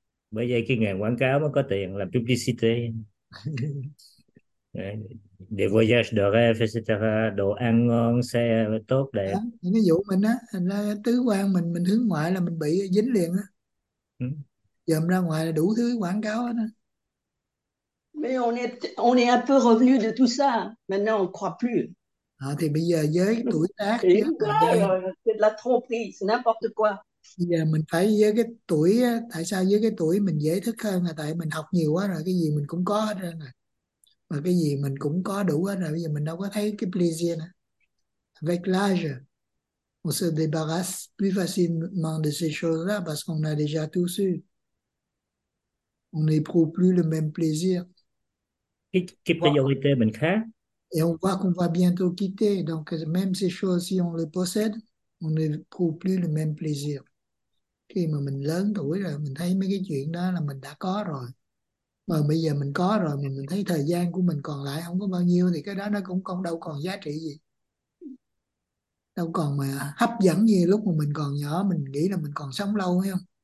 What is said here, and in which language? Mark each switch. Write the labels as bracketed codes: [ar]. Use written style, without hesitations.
[vi] Bởi vậy cái nghề quảng cáo mới có tiền làm publicity. Để [fr] voyage de rêve, [vi] đồ ăn ngon, xe tốt Đó, đẹp. những cái vụ mình á, thành ra tứ quan mình hướng ngoại là mình bị dính liền á, dòm ra ngoài là đủ thứ quảng cáo đó. [fr] On est un peu revenu de tout ça. Maintenant, on ne croit plus. [vi] À, thì bây giờ với Tính tuổi tác, quá với thời gian, rồi. [fr] C'est de la tromperie. C'est n'importe quoi. [vi] bây giờ mình phải với cái tuổi, tại sao với cái tuổi mình dễ thức hơn là tại mình học nhiều quá rồi, cái gì mình cũng có hết rồi, mà cái gì mình cũng có đủ hết rồi, bây giờ mình đâu có thấy cái plaisir nữa. [fr] Avec l'âge, on se débarrasse plus facilement de ces choses-là parce qu'on a déjà tout su. On n'éprouve plus le même plaisir. [vi] Cái priorité mình khác. [fr] Et on voit qu'on va bientôt quitter. Donc, même ces choses, si on les possède, on n'éprouve plus le même plaisir. [vi] Khi mà mình lớn tuổi rồi, mình thấy mấy cái chuyện đó là mình đã có rồi. Mà bây giờ mình có rồi, mình thấy thời gian của mình còn lại không có bao nhiêu thì cái đó nó cũng không đâu còn giá trị gì. Đâu còn mà hấp dẫn như lúc mà mình còn nhỏ, mình nghĩ là mình còn sống lâu hay không?